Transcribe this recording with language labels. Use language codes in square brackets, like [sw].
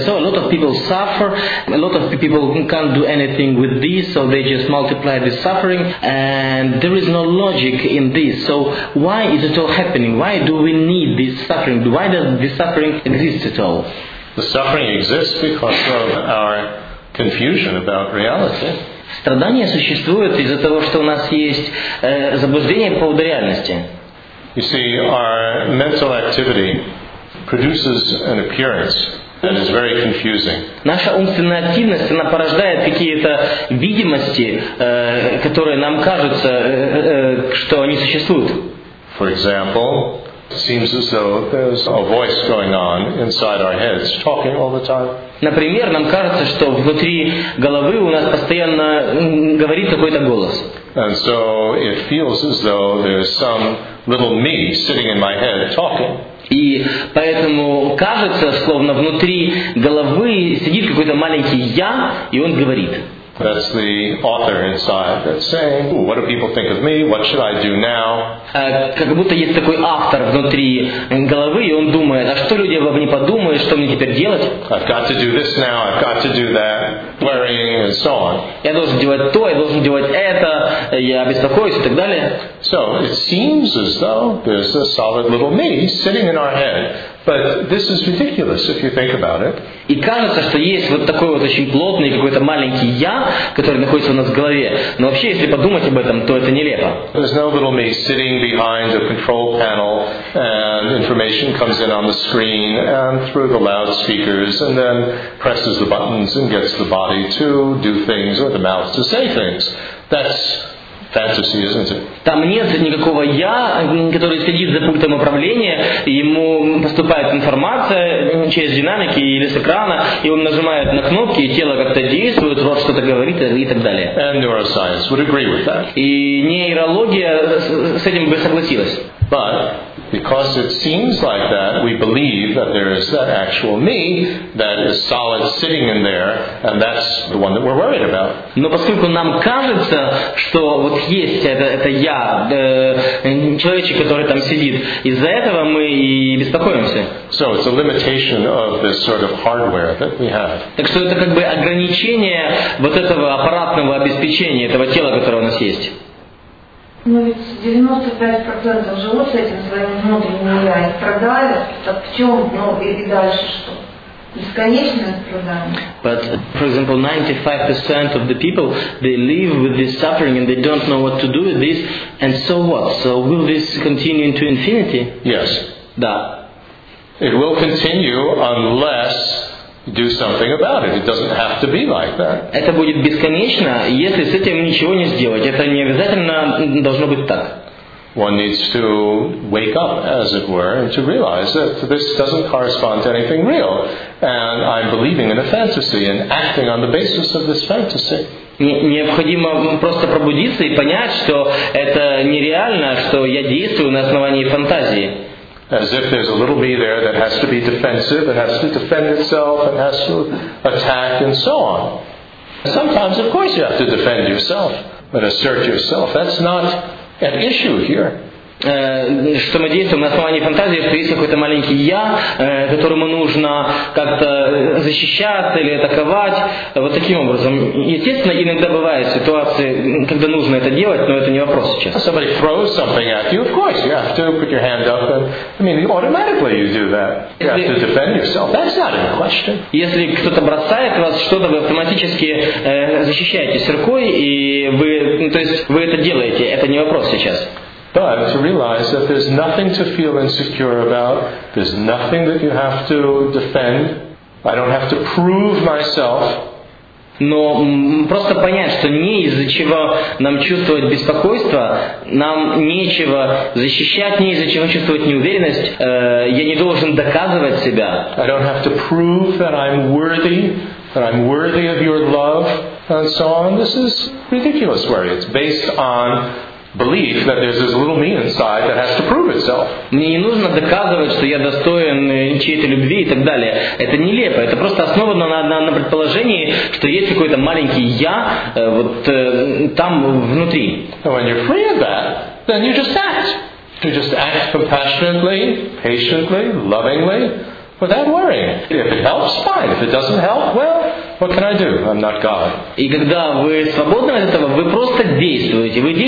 [en] So a lot of people suffer, a lot of people can't do anything with this, so they just multiply the suffering, and there is no logic in this. So why is it all happening? Why do we need this suffering? Why does this suffering exist at all? The suffering exists because of our confusion about reality. [ru] Страдания существуют из-за того, что у нас есть заблуждение по поводу реальности. [en] You see, our mental activity produces an appearance that is very confusing. [ru] Наша умственная активность, она порождает какие-то видимости, которые нам кажутся, что они существуют. [en] For example, it seems as though there's a voice going on inside our heads, talking all the time. [ru] Например, нам кажется, что внутри головы у нас постоянно говорит какой-то голос. [en] And so it feels as though there's some little me sitting in my head talking. [ru] И поэтому кажется, словно внутри головы сидит какой-то маленький я, и он говорит. [en] That's the author inside that's saying, ooh, what do people think of me? What should I do now? [ru] Как будто есть такой автор внутри головы, и он думает, а что люди обо мне подумают, что мне теперь делать? [en] I've got to do this now, I've got to do that, worrying and so on. [ru] Я должен делать то, я должен делать это, я беспокоюсь и так далее. [en] So it seems as though there's a solid little me sitting in our head. But this is ridiculous if you think about it. [ru] И кажется, что есть вот такой вот очень плотный какой-то маленький я, который находится у нас в голове. Но вообще, если подумать об этом, то это нелепо. [en] There's no little me sitting behind a control panel, and information comes in on the screen and through the loudspeakers, and then presses the buttons and gets the body to do things or the mouth to say things. That's fantasy, isn't it? [ru] Там нет никакого я, который сидит за пультом управления, ему поступает информация через динамики или с экрана, и он нажимает на кнопки, и тело как-то действует, рот что-то говорит и так далее. [en] And neuroscience would agree with that. [ru] И нейрология с этим бы согласилась. [en] But because it seems like that, we believe that there is that actual me that is solid sitting in there, and that's the one that we're worried about. [ru] Но поскольку нам кажется, что вот есть это я, человечек, который там сидит, из-за этого мы и беспокоимся. [en] So it's a limitation of this sort of hardware that we have. [ru] Так что это как бы ограничение вот этого аппаратного обеспечения, этого тела, которое у нас есть. Но ведь 95% живут с этим своим внутренним я и страдают, так в чем, ну и дальше что? [en] But, for example, 95% of the people, they live with this suffering and they don't know what to do with this, and so what? So will this continue into infinity? Yes. [ru] Да. [en] It will continue unless do something about it. It doesn't have to be like that. [ru] Это будет бесконечно, если с этим ничего не сделать. Это не обязательно должно быть так. [en] One needs to wake up, as it were, and to realize that this doesn't correspond to anything real. And I'm believing in a fantasy and acting on the basis of this fantasy. [ru] Необходимо просто пробудиться и понять, что это нереально, что я действую на основании фантазии. [en] As if there's a little bee there that has to be defensive, it has to defend itself, it has to attack, and so on. Sometimes, of course, you have to defend yourself, but assert yourself. That's not an issue here. [ru] Что мы действуем на основании фантазии, что есть какой-то маленький я, которому нужно как-то защищаться или атаковать, вот таким образом. Естественно, иногда бывают ситуации, когда нужно это делать, но это не вопрос сейчас. [en] Somebody throws something at you, of course, you have to put your hand up, and, I mean, automatically you do that. You have to defend yourself. That's not a question. [ru] Если кто-то бросает вас что-то, вы автоматически защищаетесь рукой, и вы, то есть, вы это делаете, это не вопрос сейчас. [en] But to realize that there's nothing to feel insecure about, there's nothing that you have to defend, I don't have to prove myself. [ru] Но просто понять, что не из-за чего нам чувствовать беспокойство, нам нечего защищать, не из-за чего чувствовать неуверенность, я не должен доказывать себя. [en] I don't have to prove that I'm worthy of your love, and so on. This is ridiculous worry. It's based on belief that there's this little me inside that has to prove itself. [ru] Мне не нужно доказывать, что я достоин чьей-то любви и так далее. Это нелепо. Это просто основано на предположении, что есть какой-то маленький я вот там внутри. [en] And when you're free of that, then you just act. You just act compassionately, patiently, lovingly, without worrying. If it helps, fine. If it doesn't help, well, what can I do? I'm not God. [ru] И когда вы свободны от этого, вы просто действуете.